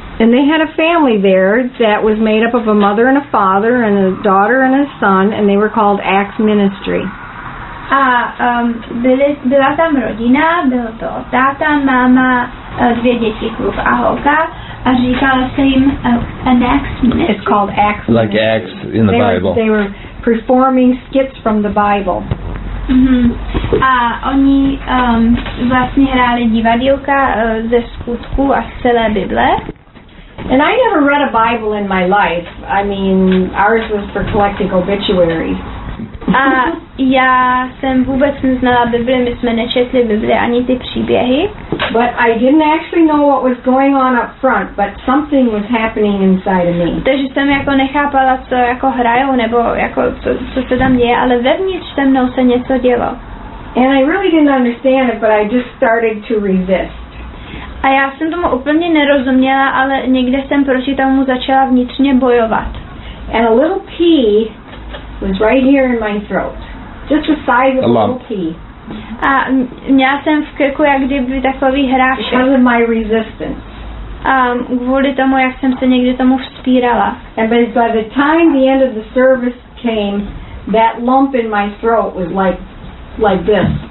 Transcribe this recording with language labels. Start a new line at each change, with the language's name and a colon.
English: And they had a family there that was made up of a mother and a father and a daughter and a son, and they were called Acts Ministry.
Czech: A byla tam rodina, byl to táta, máma, dvě děti, kluk a holka. A říkala se jim an Acts Ministry.
English: It's called Acts Ministry. Like Acts in the Bible. They were performing skits from the Bible. Mm-hmm.
Czech: A oni vlastně hráli divadílka ze skutku a z celé Bible.
English: And I never read a Bible in my life. I mean, ours was for collecting obituaries.
Czech: A já jsem vůbec neznala Bibli, my jsme nečetli Bibli ani ty příběhy.
English: But I didn't actually know what was going on up front, but something was happening inside of me.
Czech: Takže jsem jako nechápala, co jako hrajou, nebo jako co se tam děje, ale vevnitř se mnou se něco dělo.
English: And I really didn't understand it, but I just started to resist.
Czech: A já jsem tomu úplně nerozuměla, ale někde jsem proti tomu začala vnitřně bojovat.
English: And a little pea was right here in my throat. Just the size of a little pea.
Czech: A měla jsem v krku jak kdyby takový hrášek.
English: Because of my resistance.
Czech: Kvůli tomu, jak jsem se někdy tomu vzpírala.
English: And by the time the end of the service came, that lump in my throat was like this.